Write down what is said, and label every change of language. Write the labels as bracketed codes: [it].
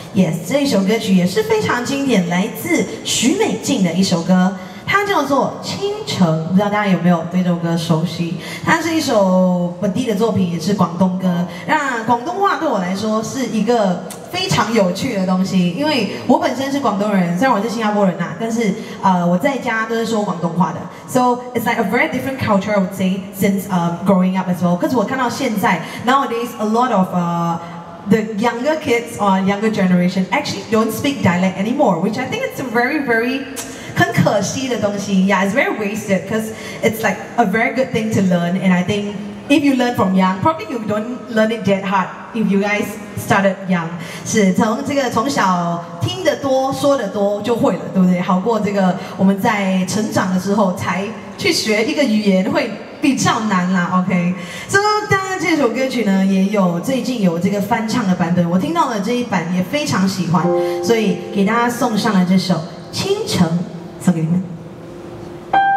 [zh] Yes， 这一首歌曲也是非常经典，来自许美静的一首歌，它叫做《倾城》，不知道大家有没有对这首歌熟悉？它是一首本地的作品，也是广东歌。那广东话对我来说是一个非常有趣的东西，因为我本身是广东人，虽然我是新加坡人啊，但是我在家都是说广东话的。 [en] So it's like a very different culture, I would say, since growing up as well. Because [zh] 我看到现在 [en] nowadays a lot of the younger kids or younger generation actually don't speak dialect anymore, which I think it's very [zh] 很可惜的东西 [en] ，Yeah， it's very wasted， cause it's like a very good thing to learn， and I think if you learn from young， probably you don't learn it that hard if you guys started young， [zh] 是从这个从小听得多说得多就会了，对不对？好过这个我们在成长的时候才去学一个语言会比较难啦 ， [en] OK， so。 [zh] 这首歌曲呢也有最近有这个翻唱的版本，我听到了这一版也非常喜欢，所以给大家送上了这首《倾城》送给你们。